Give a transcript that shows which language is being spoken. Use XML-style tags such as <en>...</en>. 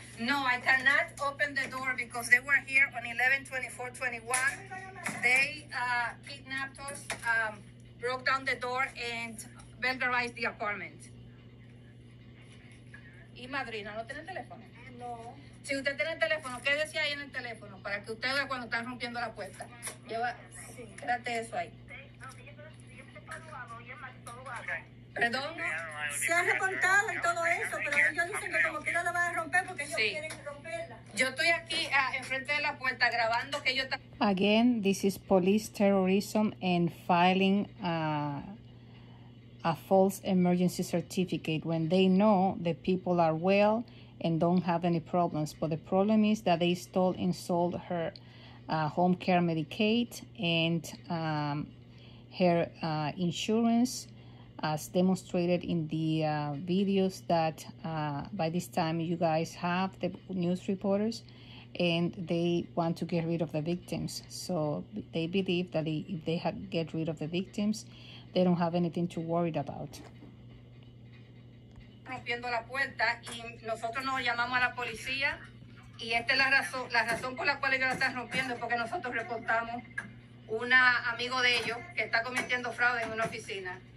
<en>No, I cannot open the door because they were here on 11/24/21. They kidnapped us, broke down the door, and burglarized the apartment.</en> <es>¿Y madrina no tiene teléfono? No. Si usted tiene el teléfono, ¿qué decía ahí en el teléfono? Para que usted vea cuando están rompiendo la puerta. Lleva, sí. Espérate eso ahí. ¿Perdón? Se ha reportado en todo eso, pero ellos dicen que como quiera la van a romper porque ellos quieren romperla. Yo estoy aquí enfrente de la puerta grabando que ellos están...</es> <en>Again, this is police terrorism and filing a false emergency certificate when they know the people are well and don't have any problems. But the problem is that they stole and sold her home care Medicaid and her insurance, as demonstrated in the videos that by this time you guys have, the news reporters, and they want to get rid of the victims. So they believe that if they had get rid of the victims, they don't have anything to worry about.</en> <es>Rompiendo la puerta y nosotros nos llamamos a la policía y esta es la razón por la cual ellos la están rompiendo, porque nosotros reportamos un amigo de ellos que está cometiendo fraude en una oficina.</es>